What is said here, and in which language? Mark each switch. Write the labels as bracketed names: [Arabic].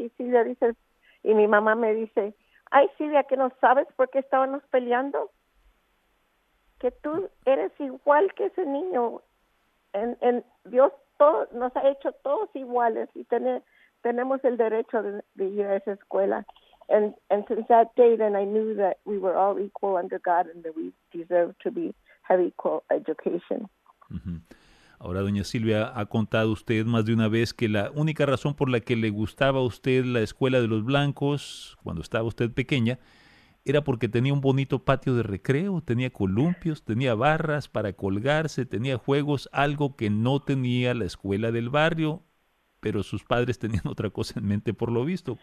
[Spanish] Y Silvia dice, y mi mamá me dice, ay, Silvia, ¿qué no sabes por qué estábamos peleando? Que tú eres igual que ese niño. En Dios todo, nos ha hecho todos iguales y tenemos el derecho de ir a esa escuela. [English] And since that day, then I knew that we were all equal under God and that we deserve to be have equal education. [Spanish] Ahora, doña Silvia, ha contado usted más de una vez que la única razón por la que le gustaba a usted la escuela de los blancos cuando estaba usted pequeña era porque tenía un bonito patio de recreo, tenía columpios, tenía barras para colgarse, tenía juegos, algo que no tenía la escuela del barrio, pero sus padres tenían otra cosa en mente por lo visto.